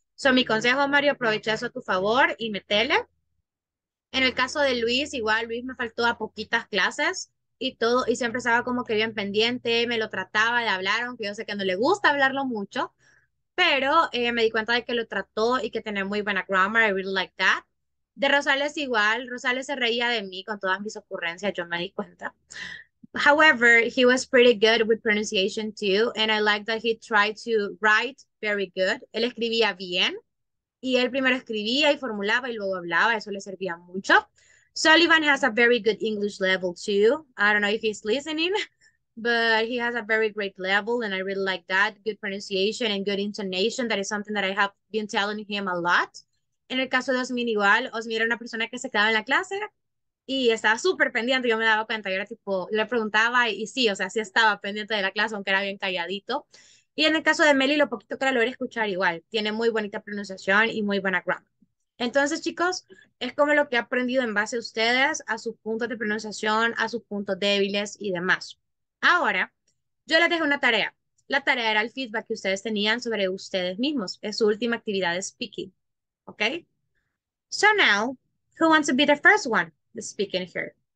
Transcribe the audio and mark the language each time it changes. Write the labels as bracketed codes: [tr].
[es] So, mi consejo, Mario, aprovecha eso a tu favor y metele. En el caso de Luis, igual Luis me faltó a poquitas clases y todo, y siempre estaba como que bien pendiente, me lo trataba de hablar, aunque yo sé que no le gusta hablarlo mucho, pero me di cuenta de que lo trató y que tenía muy buena grammar, [en] I really like that. [es] De Rosales igual, Rosales se reía de mí con todas mis ocurrencias, yo me di cuenta. [en] However, he was pretty good with pronunciation too, and I like that he tried to write very good. [es] Él escribía bien, y él primero escribía y formulaba y luego hablaba, eso le servía mucho. [en] Sullivan has a very good English level too. I don't know if he's listening, but he has a very great level, and I really like that. Good pronunciation and good intonation, that is something that I have been telling him a lot. [es] En el caso de Osmin igual, Osmin era una persona que se quedaba en la clase y estaba súper pendiente, yo me daba cuenta, yo era tipo, le preguntaba y sí, o sea, sí estaba pendiente de la clase, aunque era bien calladito. Y en el caso de Meli, lo poquito que la logré escuchar igual, tiene muy bonita pronunciación y muy buena grammar. Entonces, chicos, es como lo que he aprendido en base a ustedes, a sus puntos de pronunciación, a sus puntos débiles y demás. Ahora, yo les dejo una tarea. La tarea era el feedback que ustedes tenían sobre ustedes mismos. Es su última actividad de speaking. [en] Okay, so now, who wants to be the first one to speak in here?